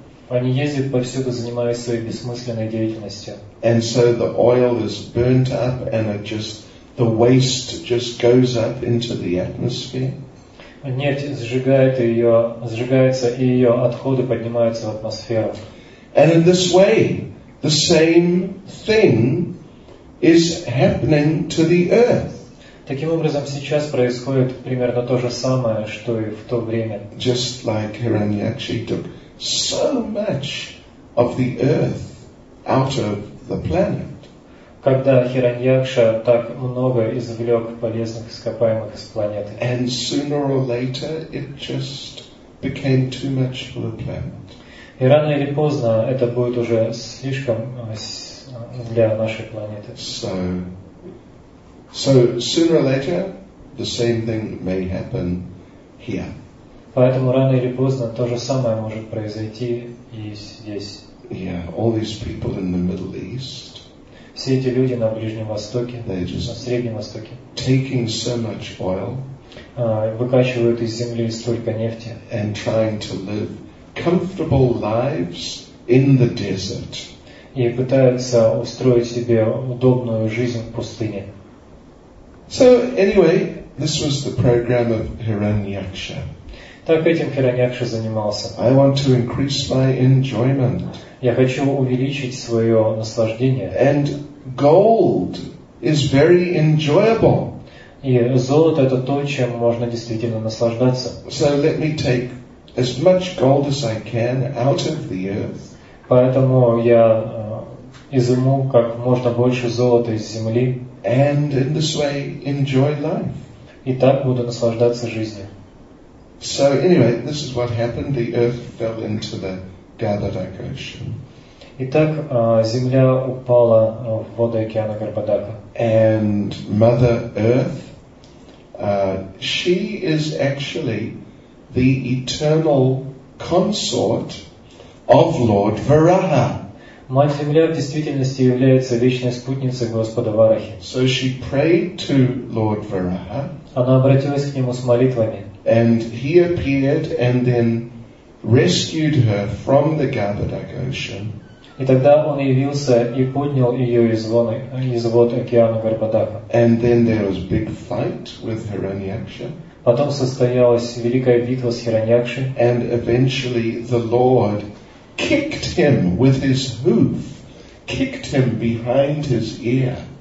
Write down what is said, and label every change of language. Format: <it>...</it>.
<ru>Они ездят повсюду, занимаясь своей бессмысленной деятельностью.</ru> <en>And so the oil is burnt up, and it just the waste just goes up into the atmosphere.</en> <ru>Нефть сжигает ее, сжигается, и ее отходы поднимаются в атмосферу.</ru> <en>And in this way, the same thing is happening to the earth.</en> <ru>Таким образом, сейчас происходит примерно то же самое, что и в то время.</ru> <en>Just like Hiranyakshi took so much of the earth out of the planet.</en> <ru>Когда Хираньякша так много извлек полезных ископаемых из планеты.</ru> <en>And sooner or later it just became too much for the planet.</en> <ru>И рано или поздно это будет уже слишком для нашей планеты.</ru> <en>So sooner or later the same thing may happen here.</en> <ru>Поэтому рано или поздно то же самое может произойти и здесь.</ru> <en>Yeah, all these people in the Middle East.</en> <ru>Все эти люди на Ближнем Востоке, на Среднем Востоке.</ru> <en>Taking so much oil.</en> <ru>Выкачивают из земли столько нефти.</ru> <en>And trying to live comfortable lives in the desert.</en> <ru>И пытаются устроить себе удобную жизнь в пустыне.</ru> <en>So anyway, this was the program of Hiranyaksha.</en> <ru>Так этим Хираньякша занимался.</ru> <en>I want to increase my enjoyment.</en> <ru>Я хочу увеличить свое наслаждение.</ru> <en>And gold is very enjoyable.</en> <ru>И золото это то, чем можно действительно наслаждаться.</ru> <en>So let me take as much gold as I can out of the earth.</en> <ru>Поэтому я изыму как можно больше золота из земли.</ru> <en>And in this way enjoy life.</en> <ru>И так буду наслаждаться жизнью.</ru> <en>So anyway, this is what happened. The earth fell into the Gavadak Ocean.</en> <ru>Итак, земля упала в воды океана Гарбадака.</ru> <en>And Mother Earth, she is actually the eternal consort of Lord Varaha.</en> <ru>Мать Земля в действительности является вечной спутницей Господа Варахи.</ru> <en>So she prayed to Lord Varaha.</en> <ru>Она обратилась к нему с молитвами.</ru> <en>And he appeared and then rescued her from the Gavadak Ocean.</en> <ru>И тогда он явился и поднял ее из вод океана Гарбадака.</ru> <en>And then there was a big fight with Hiranyaksha.</en> <ru>Потом состоялась великая битва с Хираньякшей.</ru> <en>And eventually the Lord kicked him with his hoof, kicked him behind his ear.</en>